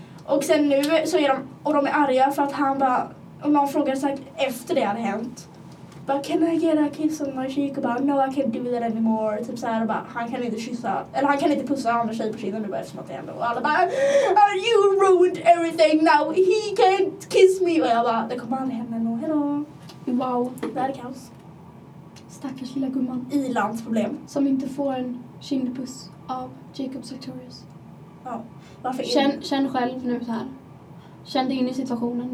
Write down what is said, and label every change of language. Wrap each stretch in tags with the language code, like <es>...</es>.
<sv>Och sen nu så är de, och de är arga för att han bara, och någon frågade såhär efter det hade hänt.</sv> <en>Bara, can I get a kiss on my cheek?</en> <sv>Och bara,</sv> <en>no I can't do that anymore.</en> <sv>Typ såhär, och bara, han kan inte kyssa. Eller han kan inte pussa andra tjejer på kinden. Och bara, eftersom att det hände. Och alla bara,</sv> <en>you ruined everything now. He can't kiss me.</en> <sv>Och jag bara, det kommer aldrig hända någon.</sv> <en>Hello. Wow.</en> <sv>Det här är kaos. Stackars lilla gumman. Ilans problem. Som inte får en kindpuss av Jacob Sartorius. Ja. Varför? Känn själv nu så här. Känn dig in i situationen.</sv>